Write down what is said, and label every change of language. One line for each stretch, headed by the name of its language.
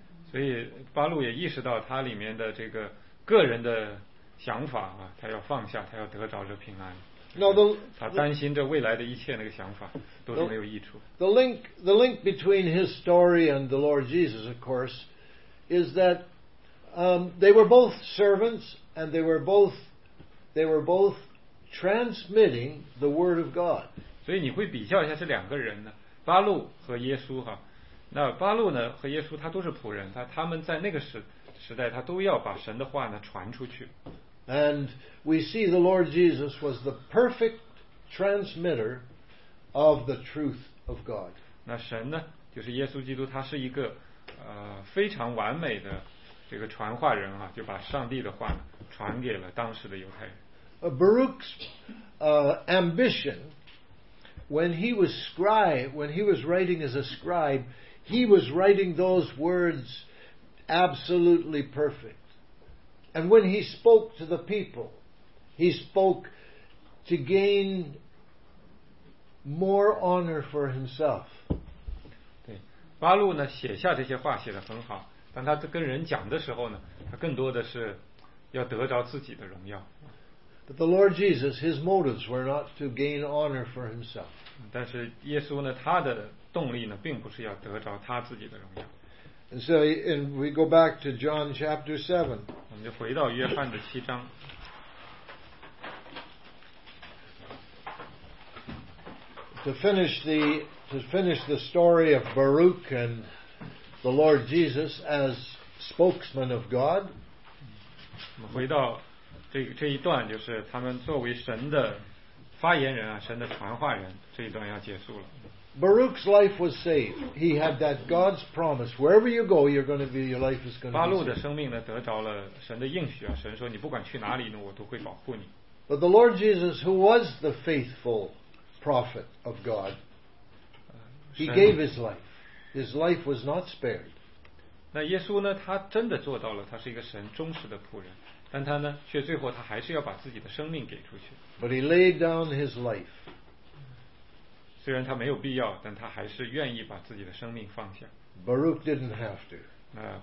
Chinese: 所以巴录也意识到他里面的这个个人的想法啊，他要放下，他要得着这平安。
English: Now the,
Chinese: 他担心这未来的一切那个想法都是没有益处。
English: The link between his story and the Lord Jesus, of course, is that they were both servants and they were both transmitting the word of God.
Chinese: 所以你会比较一下这两个人呢，巴录和耶稣哈。那巴录呢和耶稣他都是仆人，他们在那个时代他都要把神的话呢传出去。
English: And we see the Lord Jesus was the perfect transmitter of the truth of God.
Chinese: 那神呢，就是耶稣基督，他是一个非常完美的这个传话人啊，就把上帝的话传给了当时的犹太人。
English: Baruch's ambition, when he was writing as a scribe, he was writing those words absolutely perfect. And when he spoke to the people, he spoke to gain more honor for himself.
Chinese: 对，巴录呢写下这些话写得很好，但他跟人讲的时候呢，他更多的是要得着自己的荣耀。
English: But the Lord Jesus, his motives were not to gain honor for himself.
Chinese: 但是耶稣呢，他的动力呢，并不是要得着他自己的荣耀。
English: And so, and we go back to John chapter 7.
Chinese: 我们就回到约翰的七章。
English: To finish the story of Baruch and the Lord Jesus as spokesman of God.
Chinese: 我们回到这一段，就是他们作为神的发言人啊，神的传话人，这一段要结束了。
English: Baruch's life was saved. He had that God's promise. Wherever you go, you're going to be, your life is going to be saved.
Chinese: 巴路的生命呢，得着了神的应许啊，神说你不管去哪里呢，我都会保护你。
English: But the Lord Jesus, who was the faithful prophet of God, he gave his life. His life was not spared.
Chinese: 那耶稣呢，他真的做到了，他是一个神忠实的仆人，但他呢，却最后他还是要把自己的生命给出去。
English: But he laid down his life.
Chinese: 虽然他没有必要，但他还是愿意把自己的生命放下。
English: Baruch didn't have to.